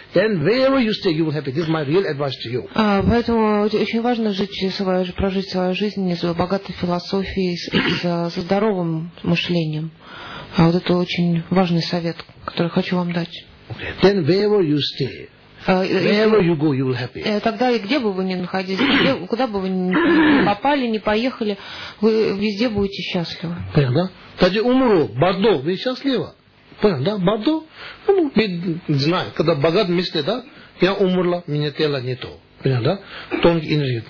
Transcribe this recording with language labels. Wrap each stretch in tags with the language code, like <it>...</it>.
<en>Then wherever you stay, you will happy. This is my real advice to you.</en> <ru>Поэтому очень важно прожить свою жизнь с богатой философией, со здоровым мышлением. Вот это очень важный совет, который хочу вам дать. Okay.</ru> <en>Then wherever you stay, wherever you go, you will happy.</en> <ru>Тогда и где бы вы ни находились, куда бы вы ни попали, ни поехали, вы везде будете счастливы. Понятно? Кстати, умру, бордо, вы счастливы. Понятно, да? Бордо? Ну, знаю, когда богат мысли, да, я умерла, меня тело не то. Понятно, да? Тонкий энергия.</ru>